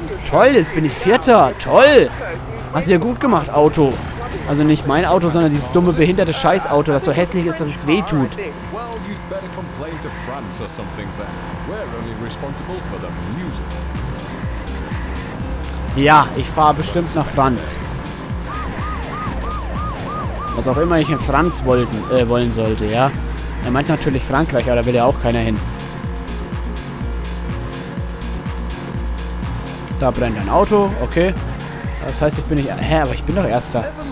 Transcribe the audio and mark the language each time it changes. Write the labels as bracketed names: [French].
[German] Toll, jetzt bin ich Vierter. Toll. Hast du ja gut gemacht, Auto. Also nicht mein Auto, sondern dieses dumme, behinderte Scheißauto, das so hässlich ist, dass es weh tut. [English] Well, you'd better complain to France or something then. We're only responsible for the music. [German] Ja, ich fahre bestimmt nach Franz. Was auch immer ich in Franz wollen sollte, ja. Er meint natürlich Frankreich, aber da will ja auch keiner hin. Da brennt ein Auto, okay. Das heißt, ich bin nicht... Hä, aber ich bin doch Erster.